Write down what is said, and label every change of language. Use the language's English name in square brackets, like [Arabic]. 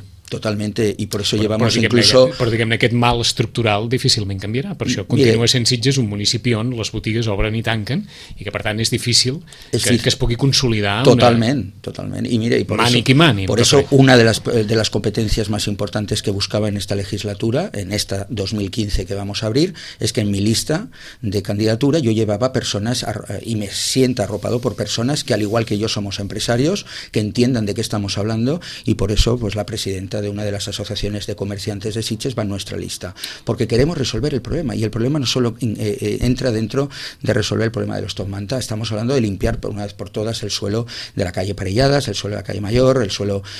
[Spanish] Totalmente, y por eso llevamos incluso... [Catalan] Però diguem-ne, aquest mal estructural difícilment canviarà, per això continua sent Sitges un municipi on les botigues obren i tanquen i que, per tant, és difícil que es pugui consolidar... Totalment. [Spanish] I mira, por eso una de las competencias más importantes que buscaba en esta legislatura, en esta 2015 que vamos a abrir, es que en mi lista de candidatura yo llevaba personas, y me siento arropado por personas que, al igual que yo, somos empresarios, que entiendan de qué estamos hablando, y por eso, pues, la presidenta de una de las asociaciones de comerciantes de Sitges va en nuestra lista, porque queremos resolver el problema, y el problema no solo entra dentro de resolver el problema de los Tom Manta, estamos hablando de limpiar por una vez por todas el suelo de la calle Parelladas, el suelo de la calle Mayor, el suelo